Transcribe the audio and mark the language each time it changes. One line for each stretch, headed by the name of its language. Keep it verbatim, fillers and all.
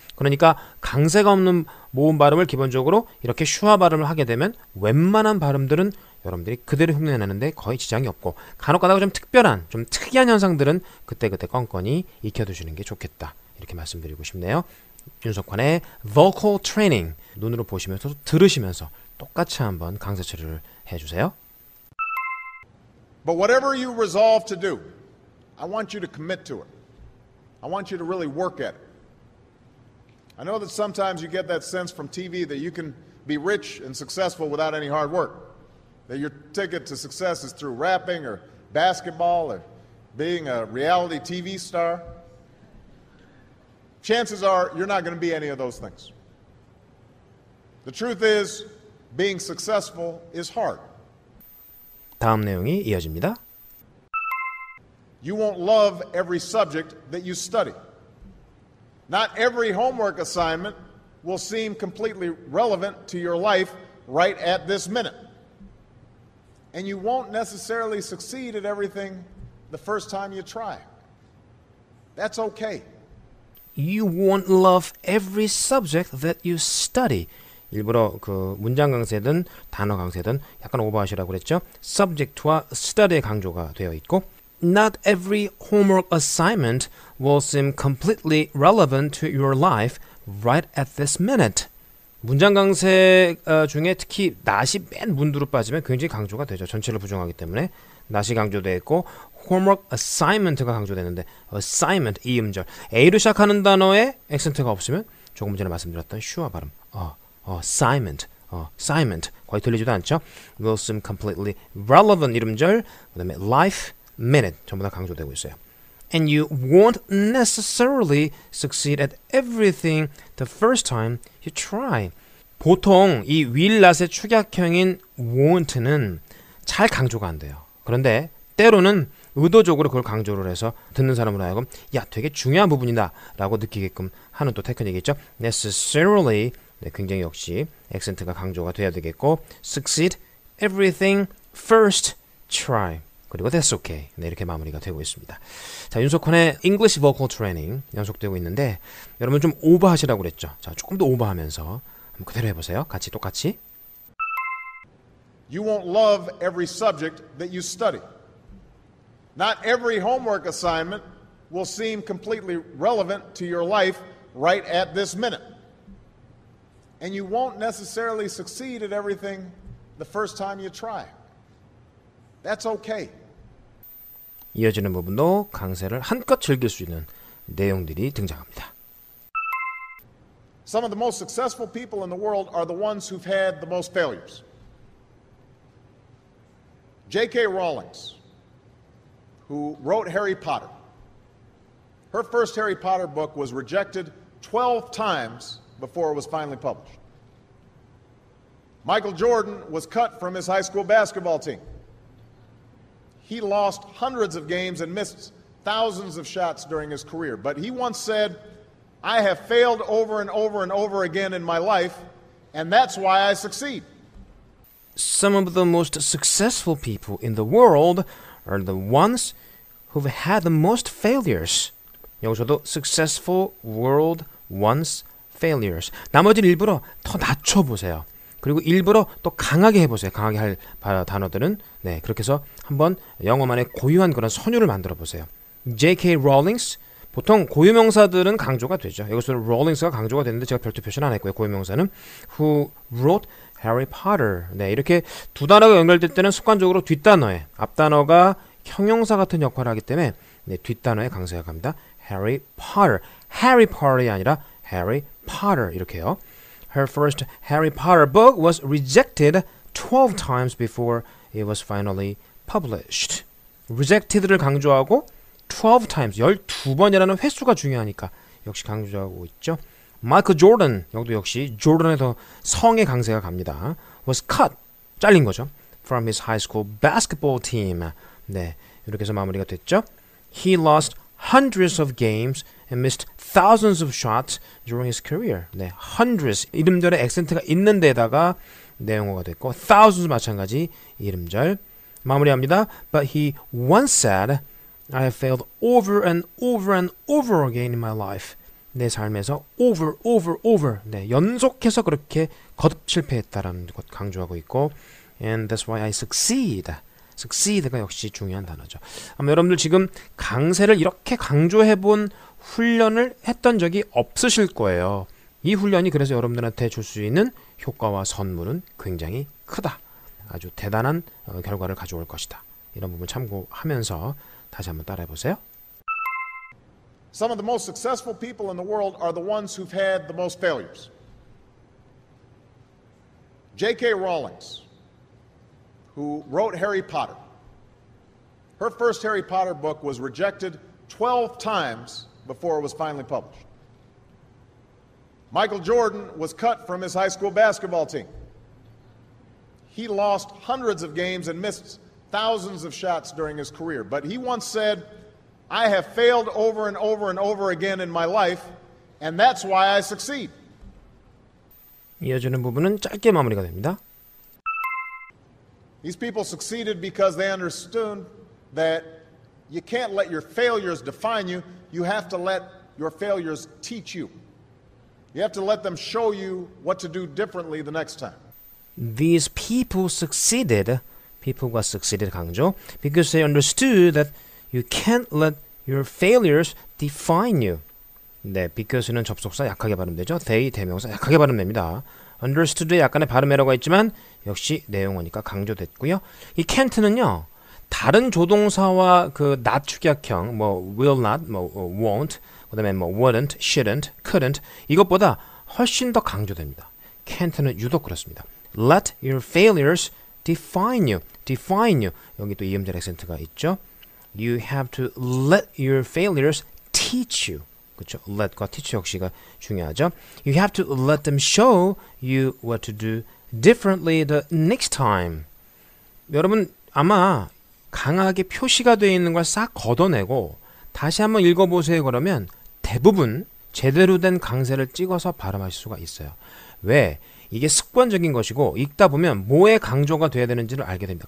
Korean: 그러니까 강세가 없는 모음 발음을 기본적으로 이렇게 슈아 발음을 하게 되면 웬만한 발음들은 여러분들이 그대로 흉내내는데 거의 지장이 없고 간혹가다가 좀 특별한 좀 특이한 현상들은 그때그때 껌껌이 익혀두시는 게 좋겠다 이렇게 말씀드리고 싶네요. 윤석환의 Vocal Training 눈으로 보시면서 들으시면서 똑같이 한번 강세 처리를 해주세요.
English: But whatever you resolve to do, I want you to commit to it. I want you to really work at it. I know that sometimes you get that sense from T V that you can be rich and successful without any hard work. That your ticket to success is through rapping or basketball or being a reality T V star. Chances are you're not going to be any of those things. The truth is, being successful is hard.
Korean: 다음 내용이 이어집니다.
English: You won't love every subject that you study. Not every homework assignment will seem completely relevant to your life right at this minute. And you won't necessarily succeed at everything the first time you try. That's okay. You won't love every subject that you study.
Korean: 일부러 그 문장 강세든 단어 강세든 약간 오버하시라고 그랬죠. subject와 study의 강조가 되어 있고
English: Not every homework assignment will seem completely relevant to your life right at this minute.
Korean: 문장 강세 중에 특히 not이 맨 문두로 빠지면 굉장히 강조가 되죠. 전체를 부정하기 때문에 not이 강조되어 있고 homework assignment가 강조되는데 assignment, 이 음절. A로 시작하는 단어에 액센트가 없으면 조금 전에 말씀드렸던 슈아 발음. 어, 어, assignment. 어, assignment. 거의 들리지도 않죠.
English: will seem completely relevant
Korean: 이름절. 그 다음에 life. minute 전부 다 강조되고 있어요.
English: And you won't necessarily succeed at everything the first time you try.
Korean: 보통 이 will not의 축약형인 won't는 잘 강조가 안 돼요. 그런데 때로는 의도적으로 그걸 강조를 해서 듣는 사람으로 하여금 야 되게 중요한 부분이다 라고 느끼게끔 하는 또 테크닉이 있죠. necessarily 네, 굉장히 역시 액센트가 강조가 돼야 되겠고
English: succeed everything first try.
Korean: 그리고
English: that's okay.
Korean: 네, 이렇게 마무리가 되고 있습니다. 자, 윤석환의 English Vocal Training 연속되고 있는데 여러분 좀 오버하시라고 그랬죠. 자, 조금 더 오버하면서 한번 그대로 해보세요. 같이 똑같이.
English: You won't love every subject that you study. Not every homework assignment will seem completely relevant to your life right at this minute. And you won't necessarily succeed at everything the first time you try. That's okay.
Korean: 이어지는 부분도 강세를 한껏 즐길 수 있는 내용들이 등장합니다.
English: Some of the most successful people in the world are the ones who've had the most failures. J K Rowling's, who wrote Harry Potter. Her first Harry Potter book was rejected twelve times before it was finally published. Michael Jordan was cut from his high school basketball team. He lost hundreds of games and missed thousands of shots during his career. But he once said, I have failed over and over and over again in my life, and that's why I succeed. Some of the most successful people in the world are the ones who've had the most failures.
Korean: 여기서도
English: successful world once failures.
Korean: 나머지는 일부러 더 낮춰보세요. 그리고 일부러 또 강하게 해보세요. 강하게 할 단어들은. 네, 그렇게 해서 한번 영어만의 고유한 그런 선율을 만들어 보세요. 제이 케이 Rowlings. 보통 고유명사들은 강조가 되죠. 여기서 Rowlings가 강조가 되는데 제가 별도 표시는 안 했고요. 고유명사는
English: Who wrote Harry Potter.
Korean: 네, 이렇게 두 단어가 연결될 때는 습관적으로 뒷단어에 앞단어가 형용사 같은 역할을 하기 때문에 네, 뒷단어에 강세가 갑니다.
English: Harry Potter. Harry Potter이
Korean: 아니라
English: Harry Potter
Korean: 이렇게요.
English: Her first Harry Potter book was rejected twelve times before it was finally published.
Korean: Rejected를 강조하고 twelve times, 열두 번이라는 횟수가 중요하니까 역시 강조하고 있죠. Michael Jordan, 여기도 역시 조던에서 성의 강세가 갑니다. was cut, 잘린 거죠.
English: from his high school basketball team.
Korean: 네, 이렇게 해서 마무리가 됐죠.
English: He lost hundreds of games and missed thousands of shots during his career.
Korean: 네, hundreds, 이름절에 액센트가 있는 데다가 내용어가 됐고 thousands 마찬가지 이름절. 마무리합니다.
English: But he once said, I have failed over and over and over again in my life.
Korean: 내 삶에서 over, over, over. 네, 연속해서 그렇게 거듭 실패했다라는 것 강조하고 있고
English: And that's why I succeed.
Korean: succeed가 역시 중요한 단어죠. 아마 여러분들 지금 강세를 이렇게 강조해본 훈련을 했던 적이 없으실 거예요. 이 훈련이 그래서 여러분들한테 줄 수 있는 효과와 선물은 굉장히 크다. 아주 대단한 어, 결과를 가져올 것이다. 이런 부분 참고하면서 다시 한번 따라해 보세요.
English: Some of the most successful people in the world are the ones who've had the most failures. 제이 케이 Rowlings, who wrote Harry Potter. Her first Harry Potter book was rejected twelve times before it was finally published. Michael Jordan was cut from his high school basketball team. He lost hundreds of games and missed thousands of shots during his career. But he once said, I have failed over and over and over again in my life, and that's why I succeed.
Korean: 이어지는 부분은 짧게 마무리가 됩니다.
English: These people succeeded because they understood that you can't let your failures define you. You have to let your failures teach you. You have to let them show you what to do differently the next time. These people succeeded.
Korean: People가 succeeded 강조.
English: Because they understood that you can't let your failures define you.
Korean: 네, because는 접속사 약하게 발음되죠. They 대명사 약하게 발음됩니다. understood에 약간의 발음 에러가 있지만 역시 내용어니까 강조됐고요. 이 can't는요. 다른 조동사와 그 not 축약형 뭐 will not, 뭐 won't, 그다음에 뭐 wouldn't, shouldn't, couldn't 이것보다 훨씬 더 강조됩니다. can't는 유독 그렇습니다.
English: Let your failures define you. define you.
Korean: 여기 또 이음절 액센트가 있죠.
English: You have to let your failures teach you.
Korean: 그렇죠? Let과 teach 역시가 중요하죠.
English: You have to let them show you what to do differently the next time.
Korean: 여러분 아마 강하게 표시가 되어 있는 걸 싹 걷어내고 다시 한번 읽어보세요. 그러면 대부분 제대로 된 강세를 찍어서 발음하실 수가 있어요. 왜? 이게 습관적인 것이고 읽다 보면 뭐에 강조가 돼야 되는지를 알게 됩니다.